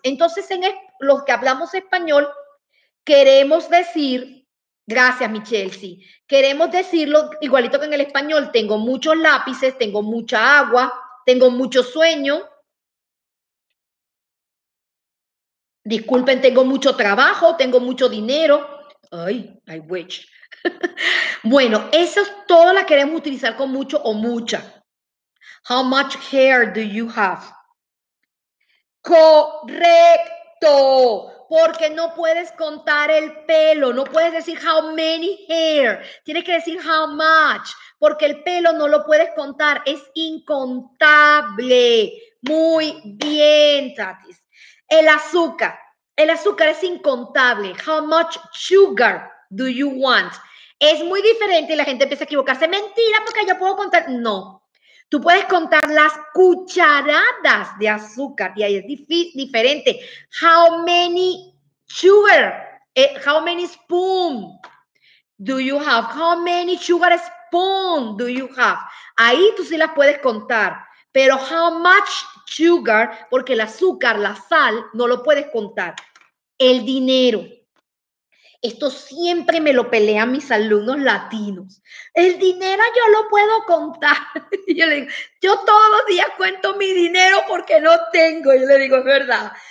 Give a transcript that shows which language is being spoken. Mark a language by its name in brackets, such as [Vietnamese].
[Spanish] Entonces, en los que hablamos español, queremos decir, gracias Michelle, sí, queremos decirlo igualito que en el español, tengo muchos lápices, tengo mucha agua, tengo mucho sueño, disculpen, tengo mucho trabajo, tengo mucho dinero, ay, [English] I wish. [Spanish] Bueno, eso es todo lo que queremos utilizar con mucho o mucha. [English] How much hair do you have? [Spanish] Correcto, porque no puedes contar el pelo, no puedes decir [English] how many hair, [Spanish] tienes que decir how much, porque el pelo no lo puedes contar, es incontable. Muy bien, Tatis. El azúcar es incontable. [English] How much sugar do you want? [Spanish] Es muy diferente y la gente empieza a equivocarse. Mentira, porque yo puedo contar. No, tú puedes contar las cucharadas de azúcar y ahí es diferente. [English] How many sugar, how many spoon do you have? How many sugar spoon do you have? [Spanish] Ahí tú sí las puedes contar, pero [English] how much sugar, [Spanish] porque el azúcar, la sal, no lo puedes contar. El dinero. Esto siempre me lo pelean mis alumnos latinos. El dinero yo lo puedo contar. Y yo le digo, yo todos los días cuento mi dinero porque no tengo. Y yo le digo, es verdad.